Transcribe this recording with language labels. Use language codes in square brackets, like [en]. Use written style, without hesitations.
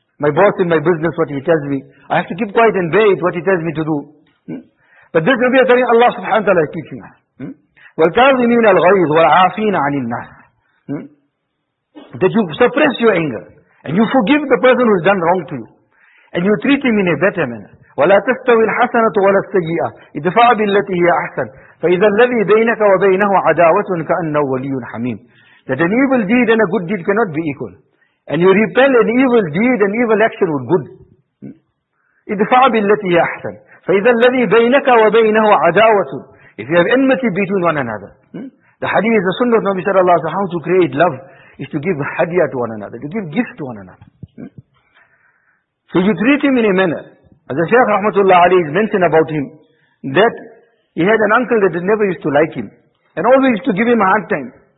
[en] My boss in my business, what he tells me. I have to keep quiet and bear it, what he tells me to do. But this will be a thing Allah subhanahu wa ta'ala is teaching us. [ar] وَالْكَاظِمِينَ الْغَيْظِ وَالْعَافِينَ عَنِ النَّاسِ. [en] That you suppress your anger. And you forgive the person who has done wrong to you. And you treat him in a better manner. [ar] وَلَا تَسْتَوِي الْحَسَنَةُ وَلَا السَّيِّئَةُ اِدْفَعْ بِالَّتِي هِيَ أَحْسَنُ فَإِذَا الَّذِي بَيْنَكَ وَبَيْنَهُ عَدَاوَةٌ كَأَنَّهُ وَلِيٌّ حَمِيمٌ [en] That an evil deed and a good deed cannot be equal. And you repel an evil deed and evil action with good. [ar] اِدْفَعْ بِالَّتِي هِيَ أَحْسَنُ فَإِذَا الَّذِي بَيْنَكَ وَبَيْنَهُ عَدَاوَةٌ [en] If you have enmity between one another. The hadith is the sunnah of Nabi sallallahu alayhi wa sallam. How to create love is to give hadiah to one another, to give gifts to one another. So you treat him in a manner. As the Shaykh rahmatullah alayhi has mentioned about him, that he had an uncle that never used to like him and always used to give him a hard time.